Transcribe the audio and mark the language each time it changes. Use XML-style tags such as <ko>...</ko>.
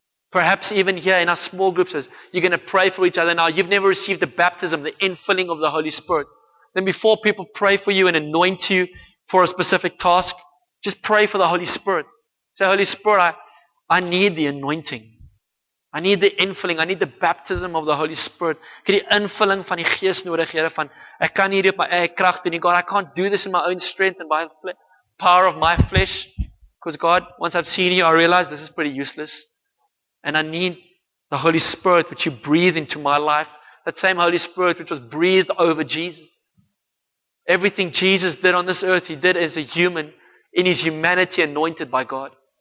<en>Perhaps even here in our small groups, as you're going to pray for each other now, you've never received the baptism, the infilling of the Holy Spirit. Then before people pray for you and anoint you for a specific task, just pray for the Holy Spirit. Say, Holy Spirit, I need the anointing. I need the infilling. I need the baptism of the Holy Spirit.</en> <af>Ek het die infilling van die Gees nodig, Here, van ek kan hierdie op my eie krag doen.</af> <en>God, I can't do this in my own strength and by the power of my flesh. Because God, once I've seen you, I realize this is pretty useless. And I need the Holy Spirit, which you breathe into my life. That same Holy Spirit, which was breathed over Jesus. Everything Jesus did on this earth, he did as a human, in his humanity, anointed by God.</en>